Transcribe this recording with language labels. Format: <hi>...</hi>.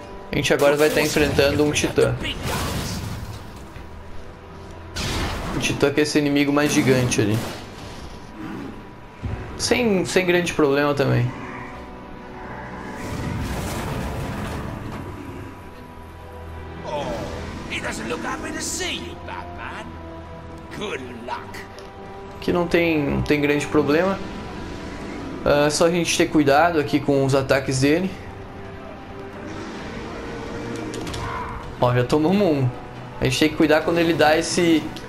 <pt>A gente agora vai estar enfrentando um titã. Um titã que é esse inimigo mais gigante ali. Sem grande problema também.</pt> <en>Oh, he doesn't look happy to see you, Batman. Good luck.</en> <pt>que não tem grande problema. Só a gente ter cuidado aqui com os ataques dele. Ó, já tomamos um. A gente tem que cuidar quando ele dá esse...</pt>